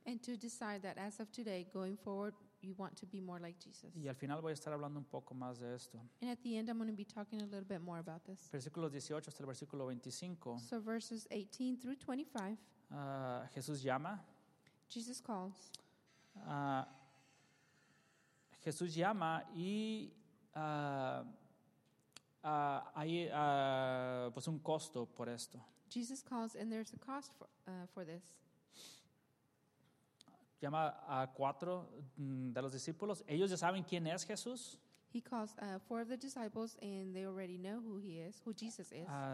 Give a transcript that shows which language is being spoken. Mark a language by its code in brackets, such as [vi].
[en] And to decide that as of today, going forward, you want to be more like Jesus. [es] Y al final voy a estar hablando un poco más de esto. [en] And at the end, I'm going to be talking a little bit more about this. [es] Versículos 18 hasta el versículo 25. [en] So verses 18 through 25. [es] Jesús llama. [en] Jesus calls. [es] Jesús llama y hay pues un costo por esto. [en] Jesus calls and there's a cost for this. [es] Llama a cuatro de los discípulos. Ellos ya saben quién es Jesús. [en] He calls four of the disciples and they already know who he is, who Jesus is.